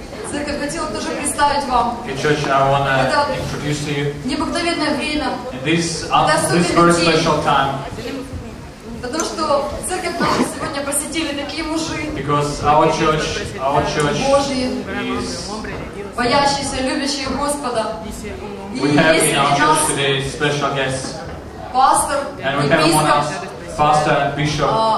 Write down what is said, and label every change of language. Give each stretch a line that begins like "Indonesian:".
Russian: Церковь, хотела тоже представить вам.
English: Hey, church, I want to introduce to you.
Russian: Необыкновенное время.
English: This very special time.
Russian: Потому что церковь наша сегодня посетили такие мужи.
English: Because our church
Russian: Божьи,
English: is
Russian: боящиеся, любящие Господа.
English: We have in our church today special guests. Pastor, and we have one else, pastor and bishop